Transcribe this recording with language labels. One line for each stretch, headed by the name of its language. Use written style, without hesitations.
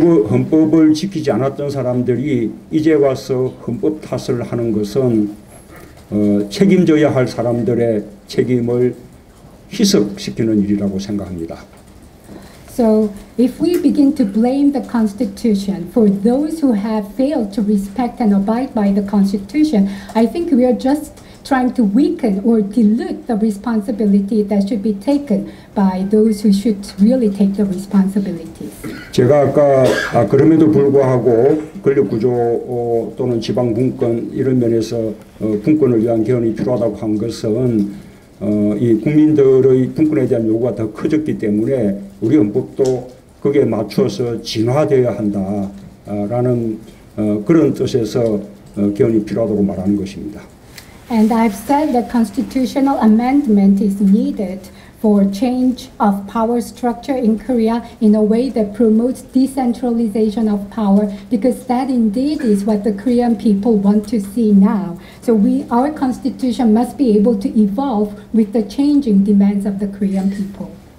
Korean: 헌법을 지키지 않았던 사람들이 이제 와서 헌법 탓을 하는 것은 책임져야 할 사람들의 책임을 희석시키는 일이라고 생각합니다.
English: So if we begin to blame the Constitution for those who have failed to respect and abide by the Constitution, I think we are just trying to weaken or dilute the responsibility that should be taken by those who should really take the responsibility.
Korean: 제가 아까 그럼에도 불구하고 권력구조 또는 지방분권 이런 면에서 분권을 위한 개헌이 필요하다고 한 것은 이 국민들의 분권에 대한 요구가 더 커졌기 때문에 우리 헌법도 거기에 맞추어서 진화되어야 한다라는 그런 뜻에서 개헌이 필요하다고 말하는 것입니다.
English: And I've said that constitutional amendment is needed for change of power structure in Korea in a way that promotes decentralization of power because that indeed is what the Korean people want to see now. So our constitution must be able to evolve with the changing demands of the Korean people.